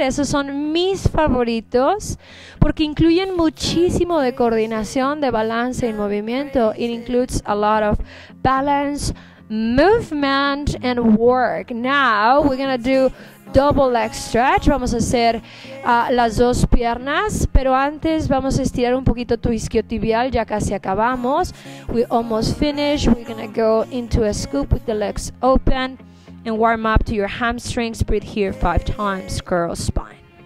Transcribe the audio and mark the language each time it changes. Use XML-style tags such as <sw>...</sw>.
<es>Esos son mis favoritos porque incluyen muchísimo de coordinación, de balance y movimiento.</es> <en>It includes a lot of balance, movement, and work. Now we're gonna do double leg stretch.</en> <es>Vamos a hacer las dos piernas, pero antes vamos a estirar un poquito tu isquiotibial. Ya casi acabamos.</es> <en>We almost finished. We're gonna go into a scoop with the legs open and warm up to your hamstrings. Breathe here 5 times. Curl spine.</en>